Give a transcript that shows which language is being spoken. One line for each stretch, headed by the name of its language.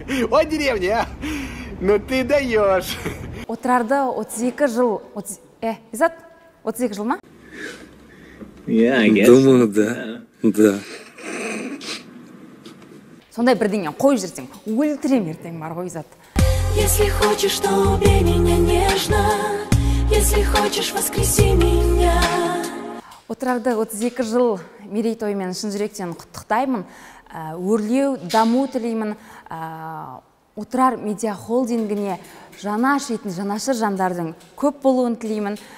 Russian: О, деревня, а? Ну ты даешь.
Kazakh: Отырарды 32 жыл... Изат, 32 жыл ма?
Russian: Думаю, да. Да.
Kazakh: Сондай бірдене қой жүрсен, өлтірем ертең бар ғой, Изат.
Russian: Если хочешь, то убей меня нежно. если хочешь, воскреси меня.
Kazakh: Отырарды 32 жыл мерейтойымен шын жүректен құттықтаймын. Өрлеу, даму тілеймін. Отырар медиа холдингіне жанашетін, жанашыр жандардың көп болуын тілеймін.